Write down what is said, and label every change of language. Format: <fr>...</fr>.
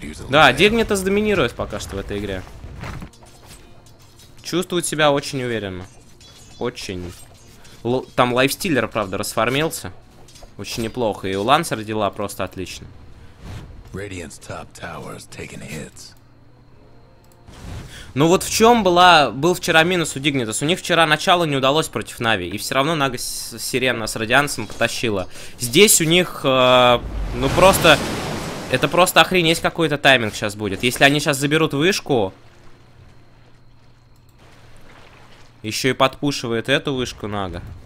<ru>Да, Дигнитас доминирует пока что в этой игре. Чувствует себя очень уверенно. Очень. Там лайфстиллер, правда, расформился. Очень неплохо. И у Лансера дела просто отлично.</ru> <en>Radiant's top tower is taking hits.</en> <ru>Ну вот в чем была, был вчера минус у Дигнитас? У них вчера начало не удалось против Нави, и все равно Нага Сирена с Радиансом потащила. Здесь у них, ну просто, это просто охренеть какой-то тайминг сейчас будет. Если они сейчас заберут вышку, еще и подпушивает эту вышку Нага.</ru>